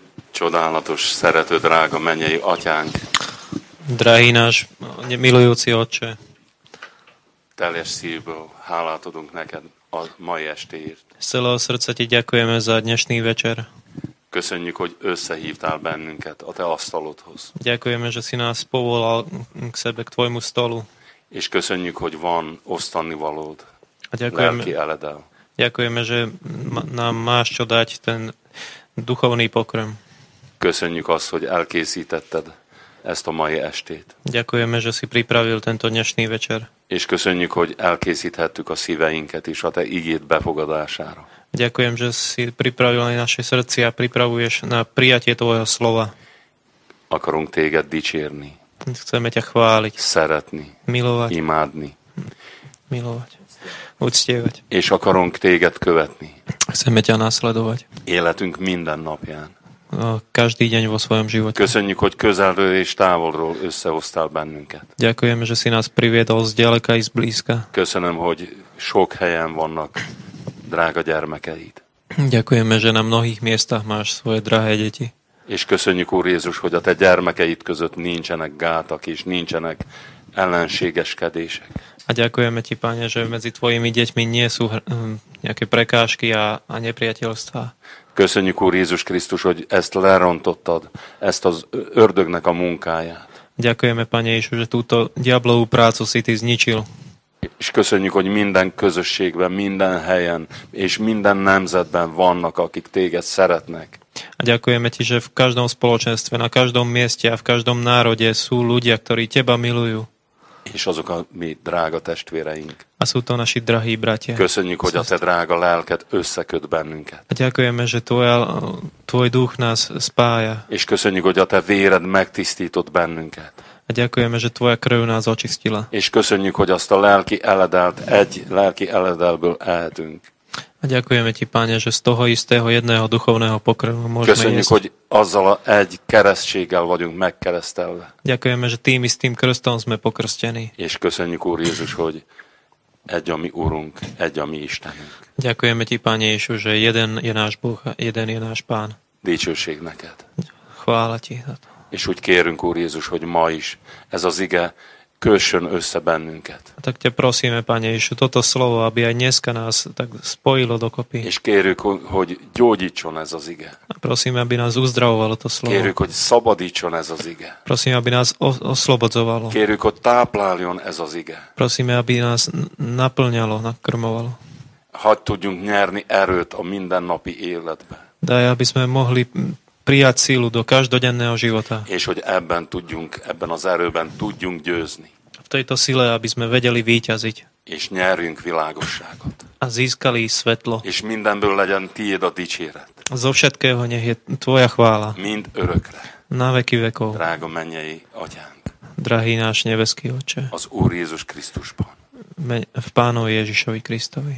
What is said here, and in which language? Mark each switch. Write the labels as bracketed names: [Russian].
[Hungarian] csodálatos, szerető, drága mennyei atyánk. [Slovak] Drági nás, milujúci otče. [Hungarian] Teljes szívből hálát adunk neked a mai estéért. [Slovak] Szelő srdce ti děkujem za dnešný večer. [Hungarian] Köszönjük, hogy összehívtál bennünket a te asztalodhoz. [Slovak] Děkujeme, že si nás povolal k sebe, k tvojmu stolu. [Hungarian] És köszönjük, hogy van osztannivalód, lelki eledel. [Slovak] Ďakujeme, že nám máš čo dať, ten duchovný pokrm. [Hungarian] Köszönjük azt, hogy elkészítetted ezt a mai estét. [Slovak] Ďakujeme, že si pripravil tento dnešný večer. [Hungarian] És köszönjük, hogy elkészíthettük a szíveinket is a te igéd befogadására. [Slovak] Ďakujem, že si pripravil aj naše srdci a pripravuješ na prijatie tvojho slova. [Hungarian] Akarunk téged dicsérni. [Slovak] Chceme ťa chváliť. [Hungarian] Szeretni. [Slovak] Milovať. [Hungarian] Imádni. [Slovak] Milovať. Uctievať. [Hungarian] És akarunk téged követni. [Slovak] Chceme ťa nasledovať. [Hungarian] Életünk minden napján. [Slovak] Každý deň vo svojom živote. [Hungarian] Köszönjük, hogy közelről és távolról összehoztál bennünket. [Slovak] Ďakujem, že si nás priviedol z ďaleka i z blízka. [Hungarian] Köszönöm, hogy sok helyen vannak drága gyermekeid. [Slovak] Ďakujeme, že na mnohých miestach máš svoje drahé deti. [Hungarian] És köszönjük, Úr Jézus, hogy a te gyermekeid között nincsenek gátak és nincsenek ellenségeskedések. [Slovak] A ďakujeme ti, Pane, že medzi tvojimi deťmi nie sú nejaké prekážky a nepriateľstvá. [Hungarian] Köszönjük, Úr Jézus Krisztus, hogy ezt lerontottad, ezt az ördögnek a munkáját. [Slovak] Ďakujeme, Pane Ježišu, že túto diablovú prácu si ty zničil. [Hungarian] És köszönjük, hogy minden közösségben, minden helyen és minden nemzetben vannak, akik téged szeretnek. [Slovak] A ďakujeme ti, že v každom spoločenstve, na každom mieste a v každom národe sú ľudia, ktorí teba milujú. [Hungarian] És azok a mi drága testvéreink. [Slovak] A sú to naši drahí bratia. [Hungarian] Köszönjük, hogy a te drága lelked összeköt bennünket. [Slovak] A ďakujeme, že tvoj duch nás spája. [Hungarian] És köszönjük, hogy a te véred megtisztított bennünket. [Slovak] A ďakujeme, že tvoja krv nás očistila. [Hungarian] És köszönjük, hogy azt a lelki eledelt egy lelki eledelből ehetünk. [Slovak] A ďakujeme ti, Pane, že z toho istého jedného duchovného pokrmu môžeme jesť. [Hungarian] Köszönjük, hogy azzal a egy keresztséggel vagyunk megkeresztelve. [Slovak] Ďakujeme, že tým istým krstom sme pokrstení. [Hungarian] És köszönjük, Úr Jézus, hogy egy a mi Urunk, egy a mi Istenünk. [Slovak] Ďakujeme ti, Pane Ježišu, že jeden je náš Boh, jeden je náš Pán. [Hungarian] Dicsőség neked. [Slovak] Chvála ti. [Hungarian] És úgy kérünk, Úr Jézus, hogy ma is ez az ige kössön össze bennünket. [Slovak] Tak te prosíme, Pane Ježišu, toto slovo, aby aj dneska nás tak spojilo dokopy. [Hungarian] És kérjük, hogy gyógyítson ez az ige. [Slovak] Prosíme, aby nás uzdravovalo to slovo. [Hungarian] Kérjük, hogy szabadítson ez az ige. [Slovak] Prosíme, aby nás oslobodzovalo. [Hungarian] Kérjük, hogy tápláljon ez az ige. [Slovak] Prosíme, aby nás naplňalo, nakrmovalo. [Hungarian] Hadd tudjunk nyerni erőt a mindennapi életbe. [Slovak] Daj, aby sme mohli prijať sílu do každodenného života. [Hungarian] És hogy ebben tudjunk, ebben az erőben tudjunk győzni. [Slovak] V tejto sile, aby sme vedeli víťaziť. [Hungarian] És nyerjünk világosságot. [Slovak] A získali svetlo. [Hungarian] És mindenből legyen tiéd a dicséret. [Slovak] Zo všetkého nech je tvoja chvála. [Hungarian] Mind örökre. [Slovak] Na veky vekov. [Hungarian] Drága mennyei atyánk. [Slovak] Drahý náš nebeský Otče. [Hungarian] Az Úr Jézus Krisztusban. [Slovak] V Pánovi Ježišovi Kristovi.